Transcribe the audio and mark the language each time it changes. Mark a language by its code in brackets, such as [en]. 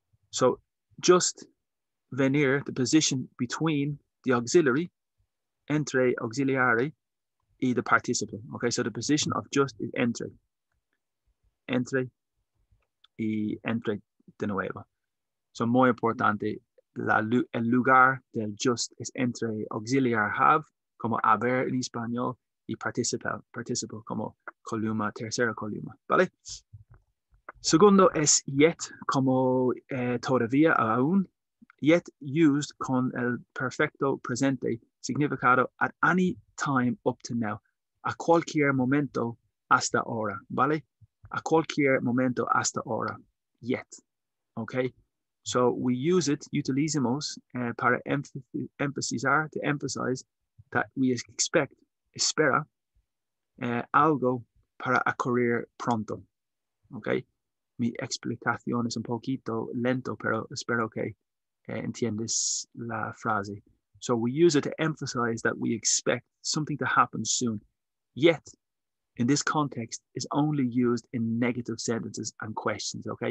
[en] So just, [es] venir, [en] the position between the auxiliary, [es] entre, [en] auxiliary, [es] y [en] the participle. Okay, so the position of just is entre. [es] Entre y entre de nuevo. [en] So [es] muy importante, el lugar del just es entre auxiliar have, como haber en español, y [en] participle, [es] como columna, tercera columna. ¿Vale? Segundo es yet, como todavía, aún. [en] Yet used [es] con el perfecto presente, significado [en] at any time up to now. [es] A cualquier momento hasta ahora, ¿vale? A cualquier momento hasta ahora, [en] yet, okay? So we use it, [es] utilizamos, para emphasizar, [en] to emphasize that we expect, [es] espera, algo para ocurrir pronto, [en] okay? [es] Mi explicación es un poquito lento, pero espero que entiendes la frase. [en] So we use it to emphasize that we expect something to happen soon. Yet, in this context, is only used in negative sentences and questions, okay?